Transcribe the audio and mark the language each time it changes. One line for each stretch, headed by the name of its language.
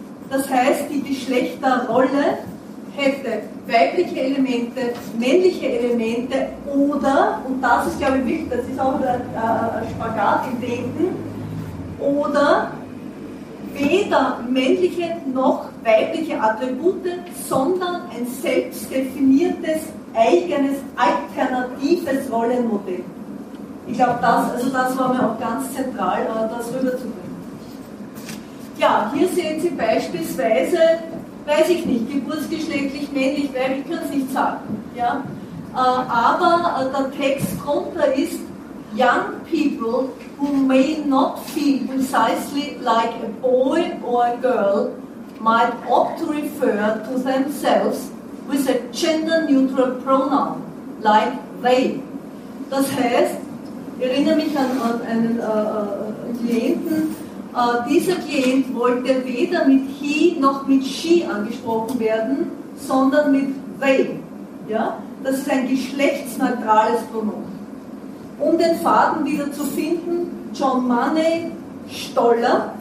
German: Das heißt, die Geschlechterrolle hätte weibliche Elemente, männliche Elemente oder, und das ist glaube ich wichtig, das ist auch ein Spagat im Denken, oder weder männliche noch weibliche Attribute, sondern ein selbstdefiniertes, eigenes, alternatives Rollenmodell. Ich glaube, das war mir auch ganz zentral, das rüberzubringen. Ja, hier sehen Sie beispielsweise, weiß ich nicht, geburtsgeschlechtlich, männlich, weiblich, ich kann es nicht sagen. Ja? Aber der Text drunter ist,
English: young people who may not feel precisely like a boy or a girl might opt to refer to themselves with a gender-neutral pronoun, like they.
German: Das heißt, ich erinnere mich an einen Klienten, dieser Klient wollte weder mit he noch mit she angesprochen werden, sondern mit they. Ja? Das ist ein geschlechtsneutrales Pronomen. Um den Faden wieder zu finden, John Money, Stoller.